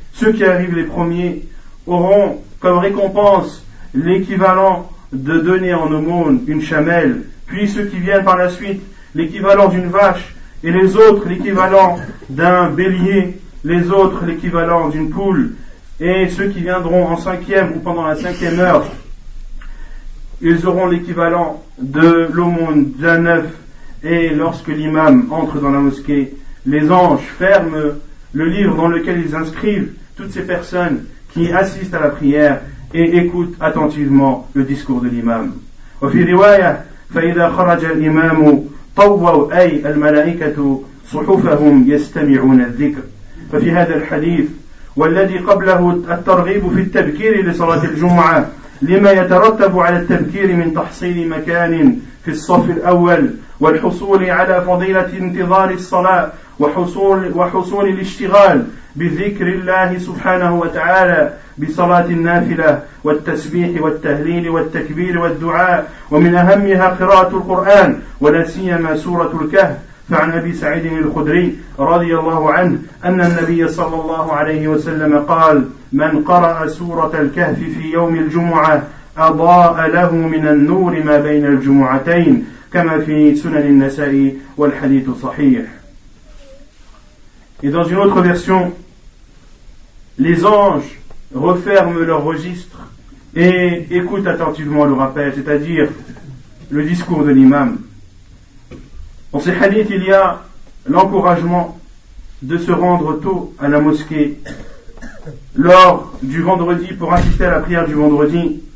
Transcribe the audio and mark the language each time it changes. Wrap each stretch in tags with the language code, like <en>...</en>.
<fr>Ceux qui arrivent les premiers auront comme récompense l'équivalent de donner en aumône une chamelle, puis ceux qui viennent par la suite l'équivalent d'une vache, et les autres l'équivalent d'un bélier, les autres l'équivalent d'une poule, et ceux qui viendront en cinquième ou pendant la cinquième heure, ils auront l'équivalent de l'aumône d'un œuf. Et lorsque l'imam entre dans la mosquée, les anges ferment le livre dans lequel ils inscrivent toutes ces personnes qui assistent à la prière et écoutent attentivement le discours de l'imam.</fr> <ar>وفي رواية فإذا خرج الإمام طووا أي الملائكة صحفهم يستمعون الذكر. ففي هذا الحديث والذي قبله الترغيب في التبكير لصلاة الجمعة لما يترتب على التبكير من تحصيل مكان في الصف الأول والحصول على فضيلة انتظار الصلاة وحصول الاشتغال بذكر الله سبحانه وتعالى بصلاة النافلة والتسبيح والتهليل والتكبير والدعاء، ومن أهمها قراءة القرآن ولا سيما سورة الكهف. فعن أبي سعيد الخدري رضي الله عنه أن النبي صلى الله عليه وسلم قال من قرأ سورة الكهف في يوم الجمعة أضاء له من النور ما بين الجمعتين كما في سنن النسائي والحديث صحيح.</ar> <fr>Et dans une autre version, les anges referment leur registre et écoute attentivement le rappel, c'est-à-dire le discours de l'imam. Dans ces hadiths, il y a l'encouragement de se rendre tôt à la mosquée lors du vendredi pour assister à la prière du vendredi.</fr>